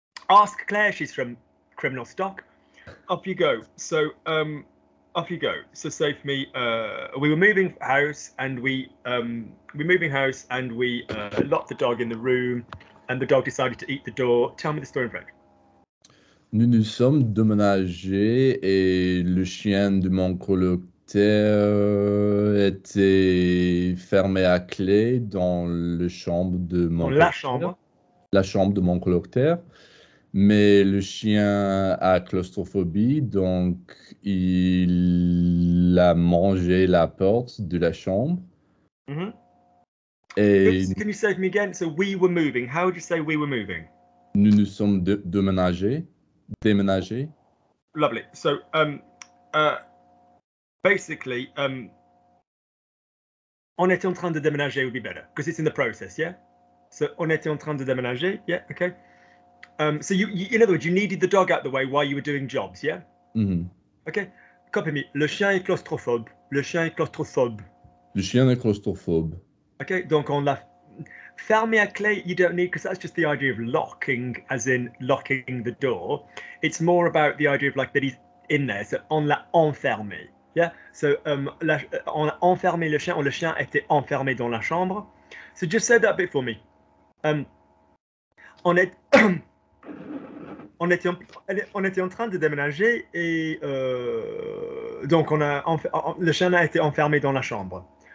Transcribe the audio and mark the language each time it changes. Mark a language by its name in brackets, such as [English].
[English] Ask Claire, she's from criminal stock. Off you go. So, off you go. So say for me, we were moving house and we locked the dog in the room and the dog decided to eat the door. Tell me the story in French. [French] Nous nous sommes déménagés et le chien de mon colocataire était fermé à clé dans le chambre de mon la chambre la chambre de mon colocataire Mais le chien a claustrophobie, donc il a mangé la porte de la chambre. Mm-hmm. [English] Oops, can you say it to me again? So we were moving. How would you say we were moving? [French] Nous nous sommes déménagés. [English] Lovely. So basically, [French] on était en train de déménager [English] would be better because it's in the process, yeah? [French] So on était en train de déménager, yeah, okay. [English] So you, in other words, you needed the dog out of the way while you were doing jobs, yeah? Mm-hmm. Okay, copy me. [French] Le chien est claustrophobe. Le chien est claustrophobe. Le chien est claustrophobe. [English] Okay, [French] donc on l'a fermé à clé, [English] you don't need, because that's just the idea of locking, as in locking the door. It's more about the idea of like that he's in there. [French] So on l'a enfermé, yeah? So on a enfermé le chien, or le chien était enfermé dans la chambre. [English] So just say that bit for me. [French] On était en train de déménager et donc on a le chien a été enfermé dans la chambre.